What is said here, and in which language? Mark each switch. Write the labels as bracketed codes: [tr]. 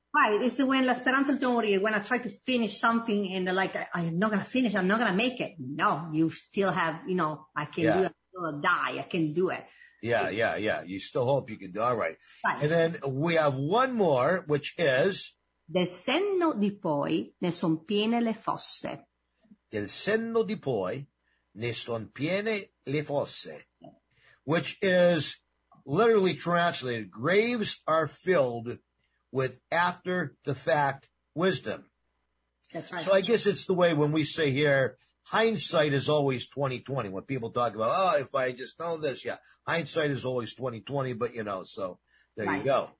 [en] Right. It's when [es] la esperanza [en] don't worry. When I try to finish something and like, I'm not going to finish. I'm not going to make it. No, you still have, you know, I can do it. Die. I can do it. Yeah. You still hope you can do it. All right. Right. And then we have one more, which is. [it] Del senno di poi ne son piene le fosse. Del senno di poi ne son piene le fosse. [en] Which is literally translated, graves are filled with after the fact wisdom. That's right. So I guess it's the way when we say here, hindsight is always 20/20. When people talk about, oh, if I just know this, yeah, hindsight is always 20/20, but you know, so there you go.